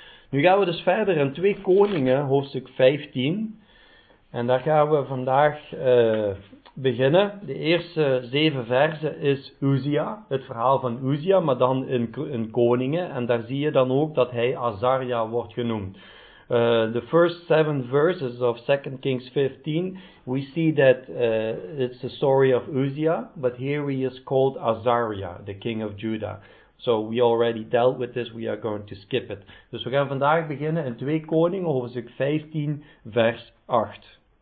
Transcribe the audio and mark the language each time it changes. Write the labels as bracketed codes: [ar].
[nl] Nu gaan we dus verder in 2 Koningen, hoofdstuk 15. En daar gaan we vandaag beginnen. De eerste 7 verzen is Uzia, het verhaal van Uzia, maar dan in Koningen. En daar zie je dan ook dat hij Azaria wordt genoemd. [en] The first 7 verses of 2 Kings 15, we see that it's the story of Uzia, but here he is called Azaria, the king of Judah. So we already dealt with this, we are going to skip it. [nl] Dus we gaan vandaag beginnen in 2 Koningen, hoofdstuk 15, vers 8.